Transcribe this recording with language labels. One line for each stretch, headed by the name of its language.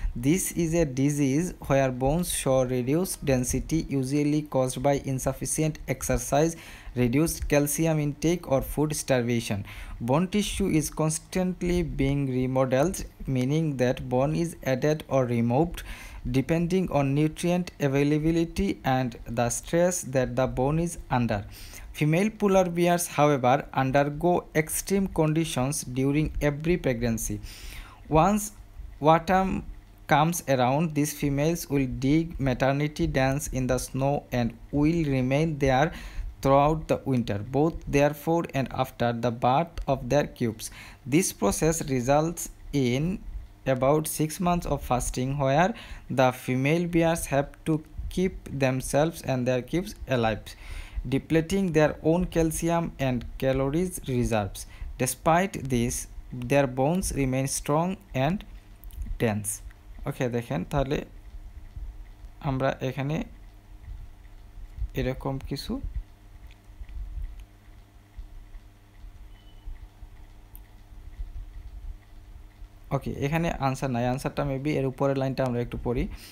English: This is a disease where bones show reduce density usually caused by insufficient exercise reduce calcium intake or food starvation. Bone tissue is constantly being remodelled meaning that bone is added or removed depending on nutrient availability and the stress that the bone is under. Female polar bears, however, undergo extreme conditions during every pregnancy. Once autumn comes around, these females will dig maternity dens in the snow and will remain there throughout the winter, both therefore and after the birth of their cubs. This process results in about 6 months of fasting where the female bears have to keep themselves and their cubs alive, depleting their own calcium and calories reserves. Despite this, their bones remain strong and dense.
Bangla: Okay, dekhen tale amra ekhane erokom kichu ওকে এখানে answer নাই, আনসারটা maybe এর উপরের লাইনটা আমরা একটু পড়ি।